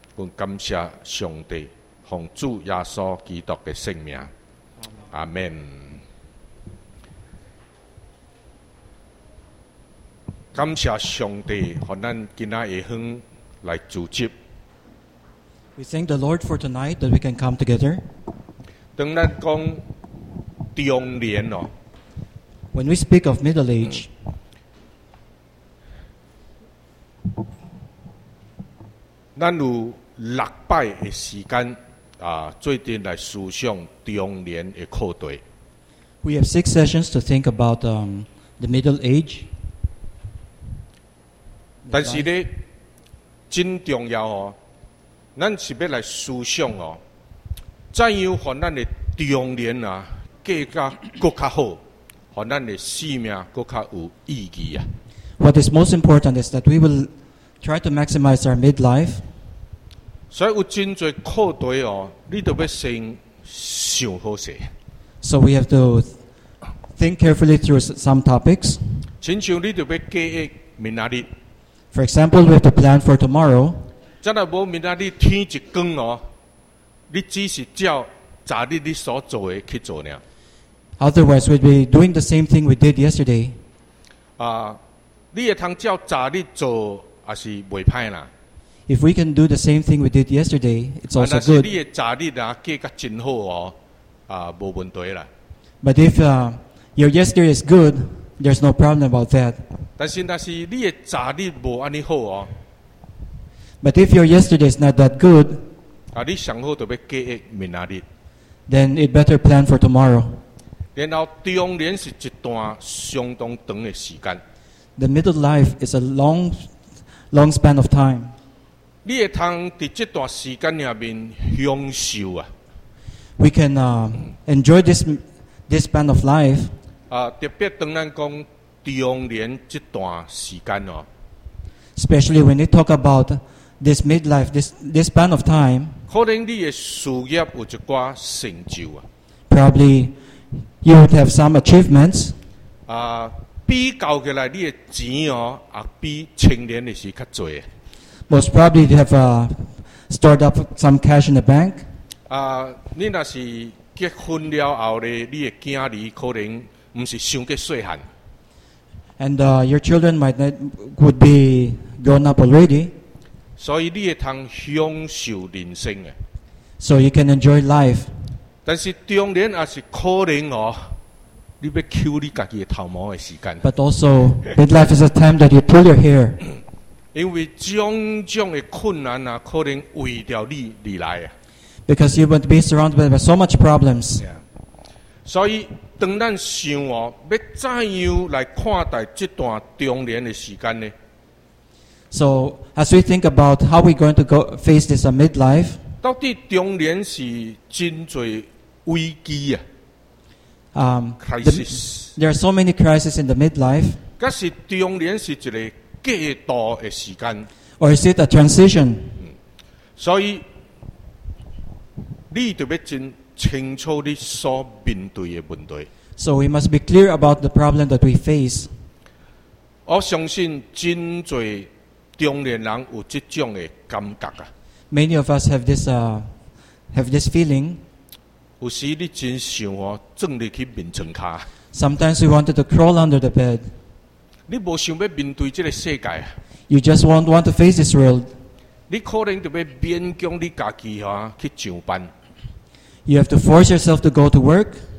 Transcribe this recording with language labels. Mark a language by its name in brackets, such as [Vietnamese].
[Min Nan Chinese] 阮感谢上帝，奉主耶稣基督的圣名，阿门。感谢上帝，予咱今仔夜昏来聚集。 [English] We thank the Lord for tonight that we can come together. [Min Nan Chinese] 当咱讲中年哦 [English] ，When we speak of middle age. [Min Nan Chinese] 咱有六摆的时间啊，最近来思想中年的课题。 [English] We have six sessions to think about the middle age. [Min Nan Chinese] 但是呢，真重要哦。咱是要来思想哦，怎样和咱的中年啊，过加过较好，和咱的生命过较有意义啊。 [English] What is most important is that we will try to maximize our midlife. [Min Nan Chinese] 所以有真侪课题哦，你都要先想好些。 [English] So we have to think carefully through some topics. [Min Nan Chinese] 亲像你都要计划明仔日。 [English] For example, we have to plan for tomorrow. [Min Nan Chinese] 真系无明仔日天一光哦，你只是照昨日你所做的去做呢。 [English] Otherwise, we'd be doing the same thing we did yesterday. [Min Nan Chinese] 啊，你也通照昨日做，也是袂歹啦。 [English] If we can do the same thing we did yesterday, it's also good. [Min Nan Chinese] 你的早日啊，计较真好哦，啊，无问题啦。 [English] But if your yesterday is good, there's no problem about that. [Min Nan Chinese] 但是你的早日无安尼好哦。 [English] But if your yesterday is not that good, [Min Nan Chinese] 啊，你上好就要计划明仔日。 [English] Then it better plan for tomorrow. [Min Nan Chinese] 然后中年是一段相当长的时间。 [English] The middle life is a long span of time. [Min Nan Chinese] 你会通伫这段时间里面享受啊 [English] ？We can enjoy this span of life. [Min Nan Chinese] 啊，特别当咱讲中年这段时间哦。 [English] Especially when you talk about this midlife, this span of time. [Min Nan Chinese] 可能你的事业有一挂成就啊。 [English] Probably you would have some achievements. [Min Nan Chinese] 啊，比较起来，你的钱哦，啊，比青年的是较侪。 [English] Most probably, they have stored up some cash in the bank. [Min Nan Chinese] 啊，你那是结婚了后嘞，你的囝儿可能唔是伤过细汉。 [English] And your children would be grown up already. [Min Nan Chinese] 所以你会通享受人生诶。 [English] So you can enjoy life. [Min Nan Chinese] 但是中年也是可能哦，你要揪你家己的头毛的时间。 [English] But also, midlife is a time that you pull your hair. [Min Nan Chinese] 因为种种的困难啊，可能围着你而来啊。 [English] Because you would be surrounded by so much problems. Yeah. [Min Nan Chinese] 所以，当咱想哦，要怎样来看待这段中年的时间呢 [English] ？So as we think about how we're going to go face this midlife, [Min Nan Chinese] 到底中年是真侪危机啊 ？Crisis. [English] There are so many crises in the midlife. [Min Nan Chinese] 可是中年是一个。过渡的时间 [English] ，or is it a transition？ [Min Nan Chinese] 所以你就要真清楚你所面对的问题。 [English] So we must be clear about the problem that we face。 [Min Nan Chinese] 我相信真侪中年人有这种的感觉啊。 [English] Many of us have this feeling。 [Min Nan Chinese] 有时你真想哦，钻入去眠床卡。 [English] Sometimes we wanted to crawl under the bed。 [Min Nan Chinese] 你无想要面对这个世界 [English] ，You just won't want to face this world。 [Min Nan Chinese] 你可能就要勉强你家己哈去上班。 [English] You have to force yourself to go to work.